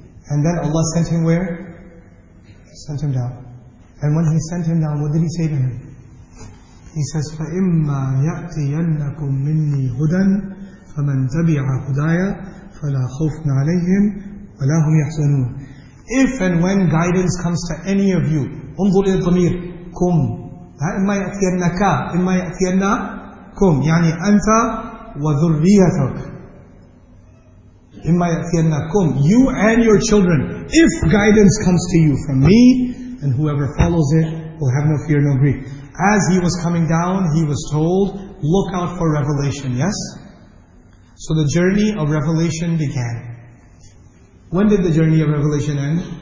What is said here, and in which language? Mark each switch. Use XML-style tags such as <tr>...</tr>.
<en>And then Allah sent him where? Sent him down. And when He sent him down, what did He say to him? He says,</en> <ar>فَإِمَّا يَأْتِيَنَّكُم مِّنِّي هُدًى فَمَنْ تَبِعَ هُدَايَ فَلَا خَوْفٌ عَلَيْهِمْ وَلَا هُمْ يَحْزَنُونَ.</ar> <en>If and when guidance comes to any of you,</en> <ar>انظر إلى الضمير كُم. إِمَّا يَأْتِيَنَّكَ إِمَّا يَأْتِيَنَّكُم يعني أنت وذريتك. إِمَّا يَأْتِيَنَّكُم</ar> <en>you and your children. If guidance comes to you from me, and whoever follows it will have no fear, no grief. As he was coming down, he was told, look out for revelation, yes? So the journey of revelation began. When did the journey of revelation end?</en>